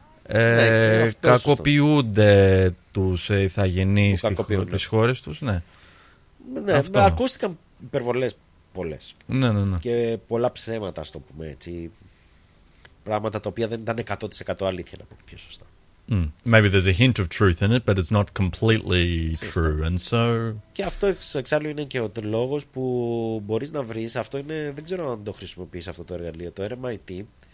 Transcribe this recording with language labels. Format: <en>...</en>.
<el>ναι, κακοποιούνται τους ηθαγενείς τις χώρες τους. Ναι, ναι, αυτό. Ακούστηκαν υπερβολές πολλές. Ναι, ναι, ναι. Και πολλά ψέματα, ας το πούμε έτσι. Πράγματα τα οποία δεν ήταν 100% αλήθεια, να πω πιο σωστά.</el> <en>Maybe there's a hint of truth in it, but it's not completely true. And so...</en> <el>Και αυτό εξάλλου είναι και ο λόγος που μπορείς να βρεις. Αυτό είναι, δεν ξέρω αν το χρησιμοποιείς αυτό το εργαλείο, το RMIT.</el>